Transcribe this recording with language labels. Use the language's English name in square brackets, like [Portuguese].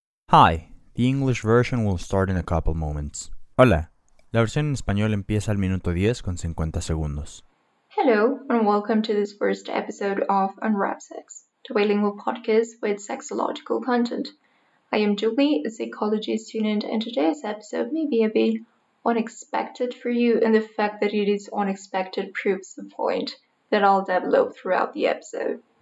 [English] Hi, the English version will start in a couple moments. [Spanish] Hola, la versión en español empieza al minuto 10 con 50 segundos. [English] Hello, and welcome to this first episode of Unwrap Sex, the bilingual podcast with sexological content. I am Julie, a psychology student, and today's episode may be a bit unexpected for you, and the fact that it is unexpected proves the point that I'll develop throughout the episode.